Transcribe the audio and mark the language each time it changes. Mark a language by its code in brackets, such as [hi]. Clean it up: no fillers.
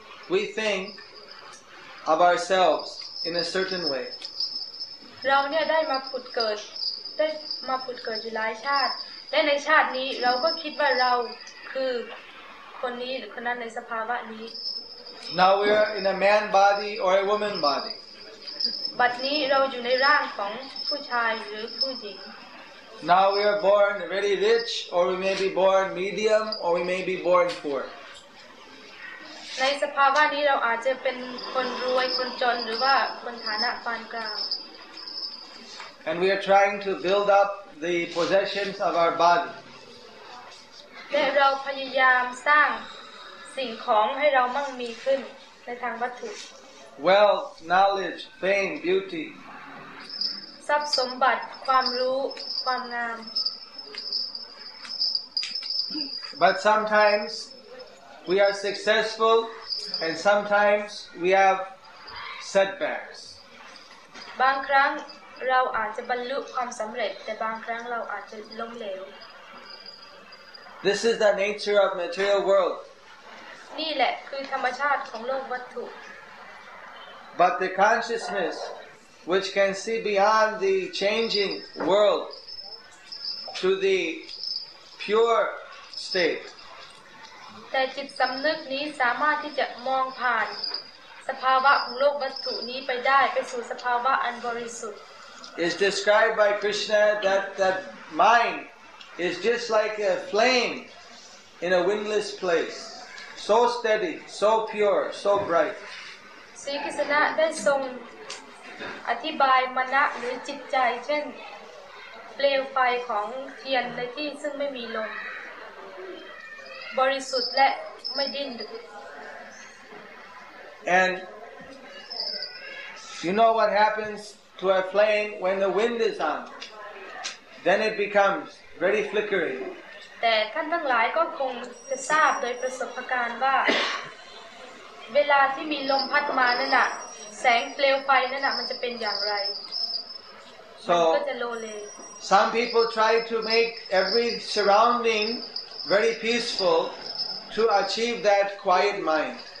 [en] We think of ourselves in a certain way. [th] เราเนี่ยได้มาผุดเกิดอยู่หลายชาติและในชาตินี้เราก็คิดว่าเราคือคนนี้หรือคนนั้นในสภาวะนี้ [en] Now we are in a man body or a woman body [th] บัดนี้เราอยู่ในร่างของผู้ชายหรือผู้หญิง [en] Now we are born very rich or we may be born medium or we may be born poor [th] ในสภาวะนี้เราอาจจะเป็นคนรวยคนจนหรือว่าคนฐานะปานกลาง [en] And we are trying to build up the possessions of our body [th] และเราพยายามสร้างสิ่งของให้เรามั่งมีขึ้นในทางวัตถุ [en] Wealth, knowledge, fame, beauty [th] ทรัพย์สมบัติความรู้ความงาม [en] But sometimes we are successful and sometimes we have setbacks [th] บางครั้งเราอาจจะบรรลุความสำเร็จแต่บางครั้งเราอาจจะล้มเหลว [en] This is the nature of material world. [th] นี่แหละคือธรรมชาติของโลกวัตถุ [en] But the consciousness which can see beyond the changing world to the pure state. [th] แต่จิตสำนึกนี้สามารถที่จะมองผ่านสภาวะของโลกวัตถุนี้ไปได้ไปสู่สภาวะอันบริสุทธิ์ [en] It's described by Krishna that that mind is just like a flame in a windless place, so steady, so pure, so bright. [th] ศรีกฤษณะได้ทรงอธิบายมนะหรือจิตใจเช่นเปลวไฟของเทียนในที่ซึ่งไม่มีลมบริสุทธิ์และไม่ดิ้นรน [en] And you know what happens to a flame when the wind is on? Then it becomes very flickery. [th] แต่ท่านทั้งหลายก็คงจะทราบโดยประสบการณ์ว่าเวลาที่มีลมพัดมานั่นน่ะแสงเปลวไฟนั่นน่ะมันจะเป็นอย่างไร [en] So some people try to make every surroundingvery peaceful to achieve that quiet mind